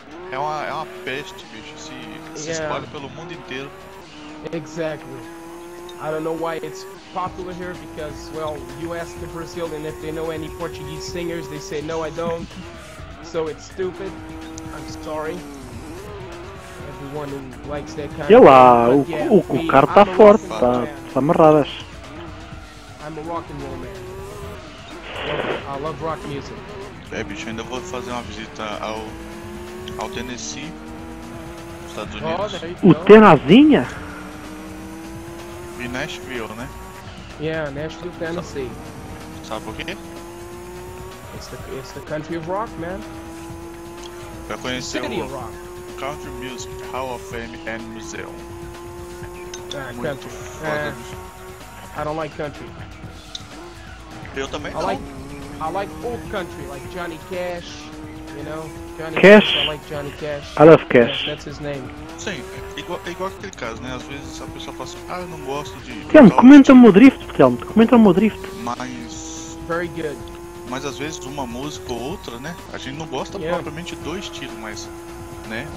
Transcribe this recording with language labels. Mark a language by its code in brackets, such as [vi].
[pt] É uma peste, bicho, se espalha pelo mundo inteiro. [en] Exactly. I don't know why it's popular here, because, well, you ask the Brazilian if they know any Portuguese singers, they say, no, I don't. So it's stupid. I'm sorry. Everyone who likes that kind of thing. [pt] E lá, o cara tá forte, tá amarradas. [en] I'm a rock and roll man. I love rock music. [pt] É, bicho, ainda vou fazer uma visita ao Tennessee, nos Estados Unidos. O Tenazinha? E Nashville, né? [en] Yeah, Nashville, Tennessee. [pt] Sabe por quê? [en] It's the country of rock, man. [pt] Pra conhecer o Country Music Hall of Fame and Museum. Muito foda. [en] I don't like country. [pt] Eu também não. [en] I like old country, like Johnny Cash, you know? Cash? I like Johnny Cash. I love Cash. Yeah, that's his name. [pt] Sim, igual aquele caso, né? Às vezes a pessoa fala assim, eu não gosto de... Thelmo, comenta o meu drift, Thelmo. Comenta o meu drift. Mas... [en] Very good. [pt] Mas às vezes uma música ou outra, né? A gente não gosta propriamente do estilo, mas... Né?